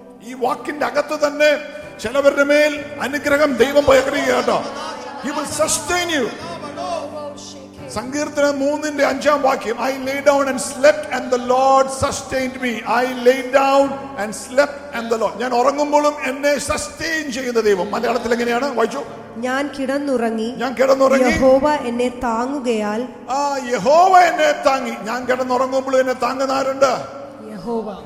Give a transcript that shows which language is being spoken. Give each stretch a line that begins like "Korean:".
Malayalam: ഈ വാക്കിന്റെ അകത്ത് തന്നെ ചിലവരുടെ മേൽ അനുഗ്രഹം ദൈവം പകരുക കേട്ടോ.
English: He will sustain you.
Malayalam: സങ്കീർത്തനം 3:5 വാക്യം.
English: I lay down and slept and the Lord sustained me. I lay down and slept and the Lord.
Malayalam: ഞാൻ ഉറങ്ങുമ്പോഴും എന്നെ സസ്റ്റെയിൻ ചെയ്യുന്ന ദൈവം. മലയാളത്തിൽ എങ്ങനെയാണ് വായിച്ചു? ഞാൻ കിടന്നുറങ്ങി യഹോവ എന്നെ താങ്ങുകയാൽ. ആ, യഹോവ എന്നെ താങ്ങി. ഞാൻ കിടന്നുറങ്ങുമ്പോഴും എന്നെ താങ്ങുന്ന ആരുണ്ട്? യഹോവ.